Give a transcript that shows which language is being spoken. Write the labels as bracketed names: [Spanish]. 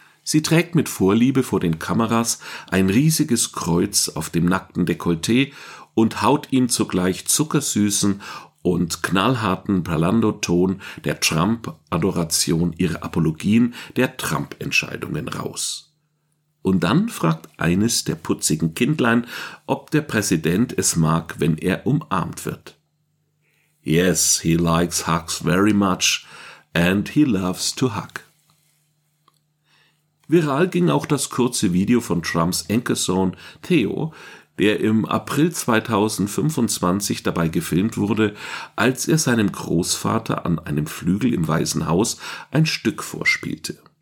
[German] Sie trägt mit Vorliebe vor den Kameras ein riesiges Kreuz auf dem nackten Dekolleté und haut ihm zugleich zuckersüßen und knallharten Parlando-Ton der Trump-Adoration ihre Apologien der Trump-Entscheidungen raus. Und dann fragt eines der putzigen Kindlein, ob der Präsident es mag, wenn er umarmt wird. [English] "Yes, he likes hugs very much and he loves to hug." [German] Viral ging auch das kurze Video von Trumps Enkelsohn Theo, der im April 2025 dabei gefilmt wurde, als er seinem Großvater an einem Flügel im Weißen Haus ein Stück vorspielte.